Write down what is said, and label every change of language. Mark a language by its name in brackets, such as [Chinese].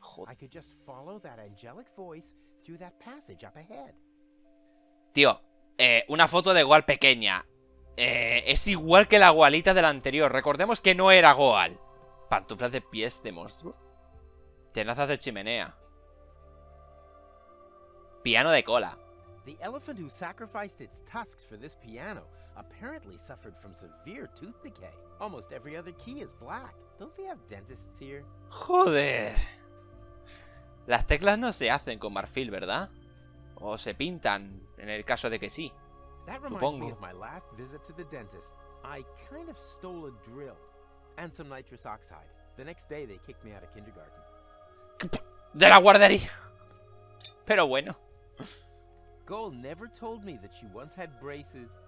[English] I could just follow that angelic voice through that passage up ahead. [Spanish] Tío, una foto de Gwen pequeña. Es igual que la gualita de la anterior. Recordemos que no era Gwen. ¿Pantuflas de pies de monstruo? Tenazas de chimenea. Piano de cola. [English] The elephant who sacrificed its tusks for this piano apparently suffered from severe tooth decay. Almost every other key is black. Don't they have dentists here? [Spanish] Joder. Las teclas no se hacen con marfil, ¿verdad? O se pintan, en el caso de que sí. [English] That reminds me of my last visit to the dentist. I kind of stole a drill and some nitrous oxide. The next day they kicked me out of kindergarten. [Spanish] De la guardería. Pero bueno. [English] Goal never told me that she once had braces.